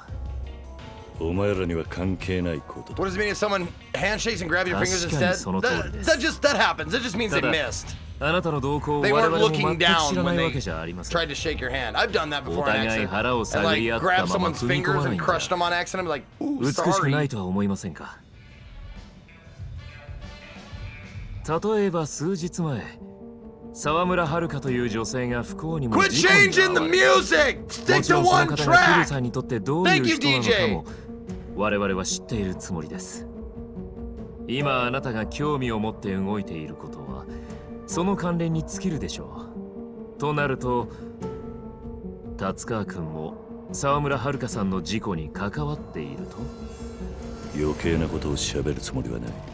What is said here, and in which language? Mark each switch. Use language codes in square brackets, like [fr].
[ja] タツカは今どこにいる。その前になぜ彼をお探しで、あんな小物とあなたにどういう接点があったのですか。お前らには関係ないこと。 [en] What does it mean if someone handshakes and grabs your fingers instead? That means they missed. [ja] あなたの動向を我々も [en] They weren't looking down when they tried to shake your hand. I've done that before on accident. And like grab someone's fingers and crush them on accident. Like, ooh, sorry. [ja] 美しくないとは思いませんか。例えば数日前、沢村遥という女性が不幸にも事故に遭われた。 [en] Quit changing the music! Stick to one track! [ja] もちろんその方が桐生さんにとってどういう人なのかも我々は知っているつもりです。今あなたが興味を持って動いていることは、その関連に尽きるでしょう。となると、達川君も沢村遥さんの事故に関わっていると。余計なことを喋るつもりはない。